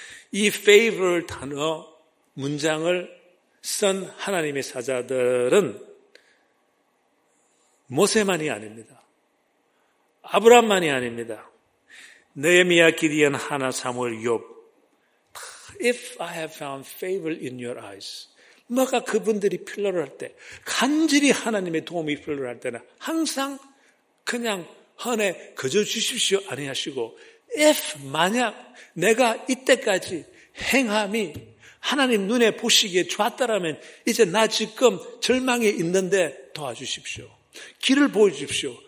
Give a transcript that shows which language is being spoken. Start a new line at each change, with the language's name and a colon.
Korean: 이 favor 단어 문장을 쓴 하나님의 사자들은 모세만이 아닙니다. 아브라함만이 아닙니다. 느헤미야, 기드온, 하나, 사무엘, 욥.
English: If I have found favor in your eyes.
Korean: 뭐가 그분들이 필요를 할 때, 간절히 하나님의 도움이 필요를 할 때는 항상 그냥 헌에 거저 주십시오 아니하시고, if 만약 내가 이때까지 행함이 하나님 눈에 보시기에 좋았다라면 이제 나 지금 절망에 있는데 도와주십시오. 길을 보여주십시오.